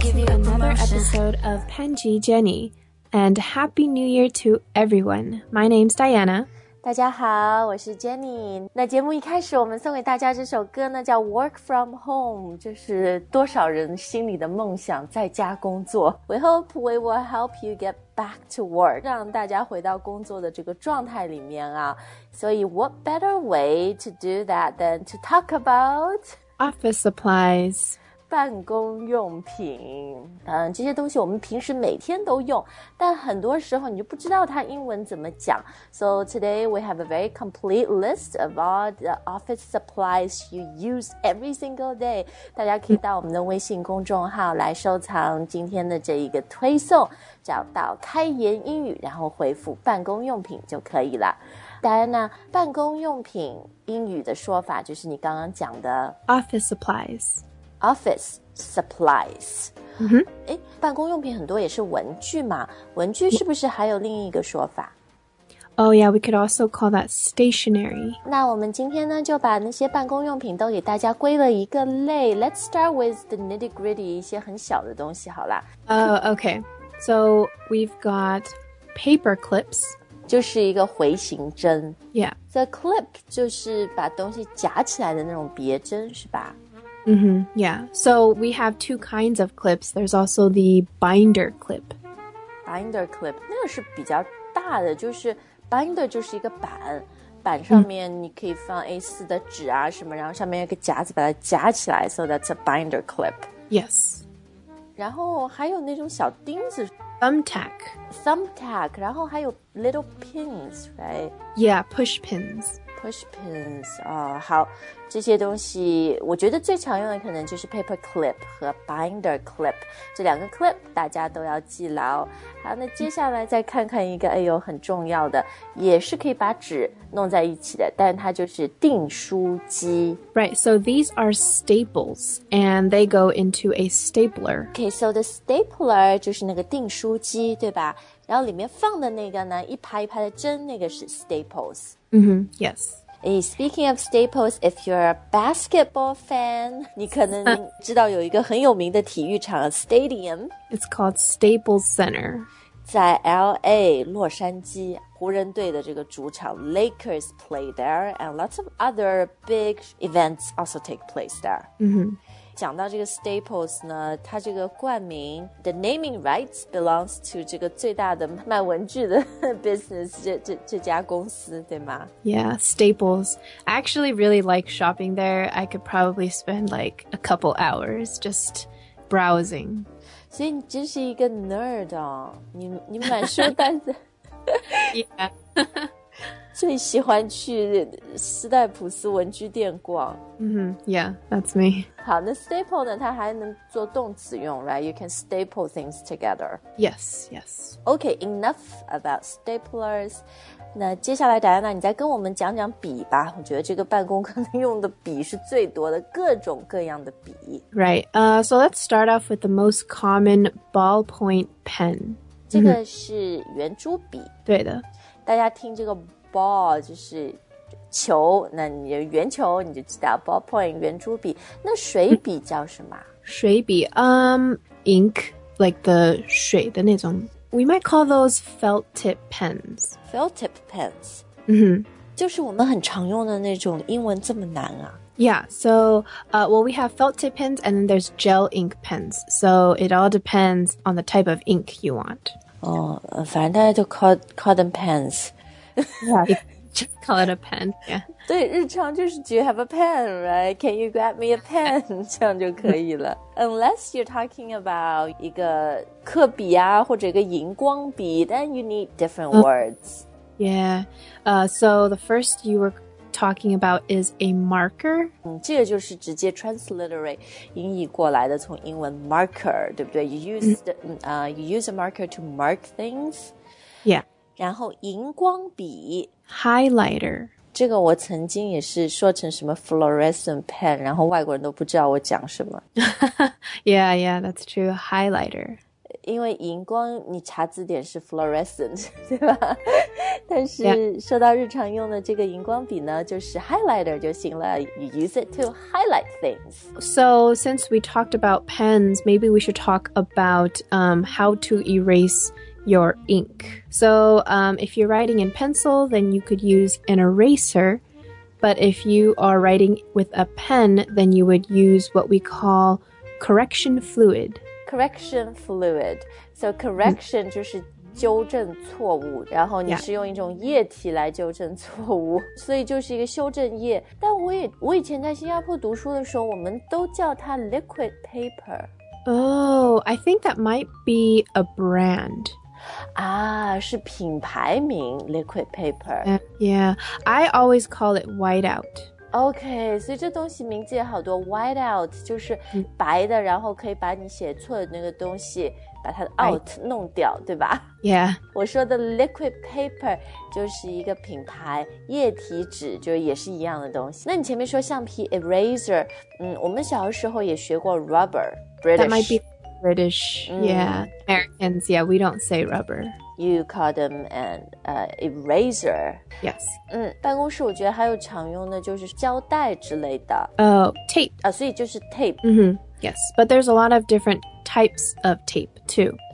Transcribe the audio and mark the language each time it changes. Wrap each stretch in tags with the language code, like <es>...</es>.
<en>Of Pen G Jenny, and Happy New Year to everyone. My name's Diana.</en> <zh>大家好，我是 Jenny。那节目一开始，我们送给大家这首歌呢，叫《Work from Home》，就是多少人心里的梦想，在家工作。</zh> <en>We hope we will help you get back to work，</en> <zh>让大家回到工作的这个状态里面啊。</zh> <en>所以 ，What better way to do that than to talk about office supplies?</en> <zh>办公用品，这些东西我们平时每天都用，但很多时候你就不知道它英文怎么讲。</zh> <en>So today we have a very complete list of all the office supplies you use every single day.</en> <zh>大家可以到我们的微信公众号来收藏今天的这一个推送，找到开言英语，然后回复办公用品就可以了。 Diana， 办公用品英语的说法就是你刚刚讲的</zh> <en>office supplies。 Office supplies、 mm-hmm.</en> <zh>办公用品很多也是文具嘛，文具是不是还有另一个说法？</zh> <en>Oh yeah, we could also call that stationery.</en> <zh>那我们今天呢就把那些办公用品都给大家归了一个类。</zh> <en>Let's start with the nitty gritty,</en> <zh>一些很小的东西好啦。</zh> <en>Oh, okay. So we've got paper clips.</en> <zh>就是一个回形针。</zh> <en>Yeah.</en> <zh>The clip 就是把东西夹起来的那种别针是吧？</zh> <en>Mm-hmm, yeah. So we have two kinds of clips. There's also the binder clip.</en> <zh>Binder clip, 那个是比较大的，就是 binder 就是一个板，板上面你可以放 A4 的纸啊什么，然后上面有个夹子把它夹起来，</zh> <en>so that's a binder clip. Yes.</en> <zh>然后还有那种小钉子。</zh> <en>Thumbtack. Thumbtack,</en> <zh>然后还有</zh> <en>little pins, right? Yeah, push pins.</en> <zh>Push pins, 好，这些东西我觉得最常用的可能就是 paper clip 和 binder clip, 这两个 clip 大家都要记牢。好，那接下来再看看一个，哎呦，很重要的，也是可以把纸弄在一起的，但它就是订书机。</zh> <en>Right, so these are staples, and they go into a stapler. Okay, so the stapler</en> <zh>就是那个订书机，对吧？然后里面放的那个呢，一排一排的针，那个是 staples。</zh> <en>Mm-hmm, yes. Hey, speaking of staples, if you're a basketball fan,</en> <zh>你可能知道有一个很有名的体育场</zh> <en>stadium. It's called Staples Center.</en> <zh>在 LA, 洛杉矶湖人队的这个主场</zh> <en>Lakers play there, and lots of other big events also take place there. Mm-hmm.</en> <zh>讲到这个 Staples 呢，它这个冠名</zh> <en>The naming rights belongs to</en> <zh>这个最大的卖文具的 business 这家公司，对吗？</zh> <en>Yeah, Staples. I actually really like shopping there. I could probably spend like a couple hours just browsing.</en> <zh>所以你真是一个 nerd 哦，你买书单子。</zh> <en>yeah.</en> <zh>最喜欢去斯代普斯文具店逛。</zh> <en>Mm-hmm. Yeah, that's me.</en> <zh>好，那 staple 呢，它还能做动词用， right?</zh> <en>You can staple things together. Yes, yes. Okay, enough about staplers.</en> <zh>那接下来戴安娜，你再跟我们讲讲笔吧。我觉得这个办公可能用的笔是最多的，各种各样的笔。</zh> <en>Right, so let's start off with the most common ballpoint pen.</en> <zh>这个是圆珠笔。</zh> <en>Mm-hmm.</en> <zh>对的。大家听这个Ball 就是球，那你圆球你就知道 ballpoint 圆珠笔。那水笔叫什么？水笔ink like the 水的那种。</zh> <en>We might call those felt tip pens. Felt tip pens. 嗯、mm-hmm. ，</en> <zh>就是我们很常用的那种。英文这么难啊</zh> <en>？Yeah. So, well, we have felt tip pens, and then there's gel ink pens. So it all depends on the type of ink you want.</en> <zh>哦，反正大家都</zh> <en>call them pens. Yeah, just call it a pen. Yeah.</en> <zh>对，日常就是</zh> <en>Do you have a pen, right? Can you grab me a pen?</en> <zh>这样就可以了。</zh> <en>Unless you're talking about</en> <zh>一个课笔啊，或者一个荧光笔，</zh> <en>then you need different words. Yeah. So the first you were talking about is a marker.</en> <zh>这个就是直接 transliterate 音译过来的，从英文 marker， 对不对？</zh> <en>You use a marker to mark things. Yeah.</en> <zh>然后荧光笔</zh> <en>Highlighter，</en> <zh>这个我曾经也是说成什么 fluorescent pen， 然后外国人都不知道我讲什么。</zh> <en>Yeah, yeah, that's true. Highlighter，</en> <zh>因为荧光你查字典是 fluorescent， 对吧？但是说到日常用的这个荧光笔呢，就是 highlighter 就行了。</zh> <en>You use it to highlight things. So since we talked about pens, maybe we should talk about how to erase your ink. So if you're writing in pencil, then you could use an eraser. But if you are writing with a pen, then you would use what we call correction fluid. Correction fluid.</en> <zh>So correction 就是纠正错误，然后你是用一种液体来纠正错误，所以就是一个修正液。但我以前在新加坡读书的时候，我们都叫它 liquid paper.</zh> <en>Oh, I think that might be a brand.</en> <zh>是品牌名 liquid paper.</zh> <en>Yeah, I always call it whiteout.</en> <zh>Okay, 所以这东西名字也好多 whiteout 就是白的，然后可以把你写错的那个东西把它的 out 弄掉，对吧？</zh> <en>Yeah.</en> <zh>我说的 liquid paper 就是一个品牌，液体纸就也是一样的东西。那你前面说橡皮 eraser， 我们小的时候也学过 rubber British.</zh> <en>That might be British. Yeah. Americans, yeah, we don't say rubber. You call them an eraser. Yes.</en> <zh>办公室我觉得还有常用的就是胶带之类的。</zh> <en>Tape.</en> <zh>所以就是 tape. Mm-hmm.</zh> <en>Yes, but there's a lot of different types of tape, too.</en>